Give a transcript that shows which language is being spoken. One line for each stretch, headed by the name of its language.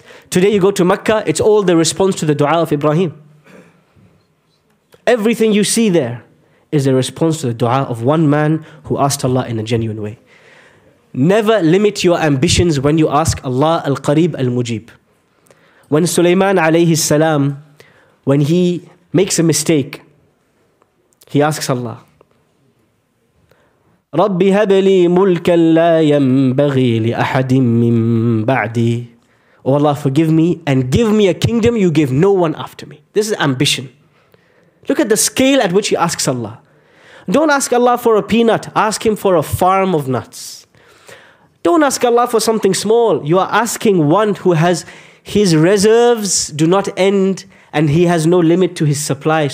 English: Today you go to Mecca, it's all the response to the dua of Ibrahim. Everything you see there is a response to the dua of one man who asked Allah in a genuine way. Never limit your ambitions when you ask Allah al-Qarib al-Mujib. When Sulaiman alayhi salam, when he makes a mistake, He asks Allah,
Arabic: رَبِّ هَبْ لِي مُلْكًا لَا يَنْبَغِي لِأَحَدٍ مِّن بَعْدِي.
English: Oh Allah, forgive me and give me a kingdom you give no one after me. This is ambition. Look at the scale at which he asks Allah. Don't ask Allah for a peanut, ask him for a farm of nuts. Don't ask Allah for something small. You are asking one who has his reserves do not end and he has no limit to his supply.